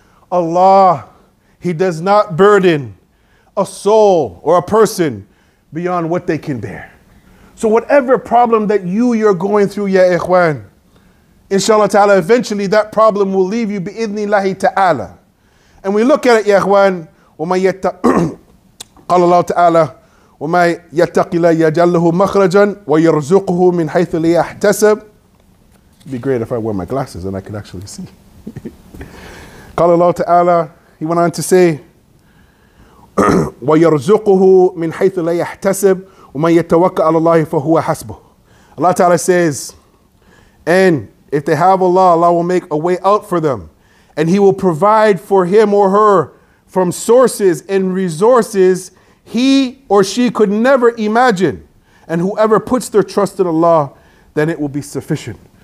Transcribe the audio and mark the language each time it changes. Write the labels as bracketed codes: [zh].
[en] Allah, He does not burden a soul or a person beyond what they can bear. So whatever problem that you're going through, Ya Ikhwan, inshallah ta'ala, eventually that problem will leave you bi'idhni lahi ta'ala. And we look at it, Ya Ikhwan, [ar] وَمَنْ يَتَّقِ قَالَ اللَّهُ تَعَالَى وَمَا يَتَّقِ لَا يَجَلَّهُ مَخْرَجًا وَيَرْزُقُهُ مِنْ حَيْثُ لَا يَحْتَسَبُ. [en] It'd be great if I wore my glasses and I could actually see. [ar] قَالَ اللَّهُ تَعَالَى, [en] he went on to say, [ar] وَيَرْزُقُهُ مِنْ حَيْثُ لَا يَحْتَسَبُ وَمَنْ يَتَّوَكَّ عَلَى اللَّهِ فَهُوَ حَسْبُهُ. [en] Allah Ta'ala says, and if they have Allah, Allah will make a way out for them, and He will provide for him or her from sources and resources he or she could never imagine. And whoever puts their trust in Allah, then it will be sufficient.